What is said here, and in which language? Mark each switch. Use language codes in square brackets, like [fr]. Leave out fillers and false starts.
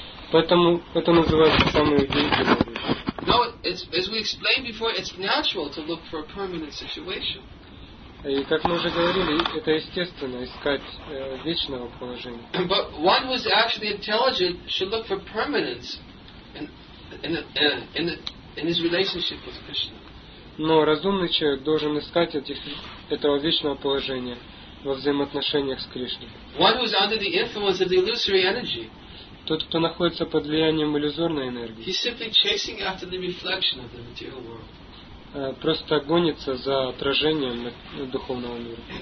[ru] Поэтому это называется самый единственный. [en] No, as we explained before, it's natural to look for a permanent situation. [ru] И как мы уже говорили, это естественно искать вечного положения. [en] But one who is actually intelligent should look for permanence in his relationship with Krishna. [ru] Но разумный человек должен искать этого вечного положения во взаимоотношениях с Кришной. [en] One who is under the influence of the illusory energy. [ru] Тот, кто находится под влиянием иллюзорной энергии. [en] He's simply chasing after the reflection of the material world. [ru] Просто гонится за отражением духовного мира.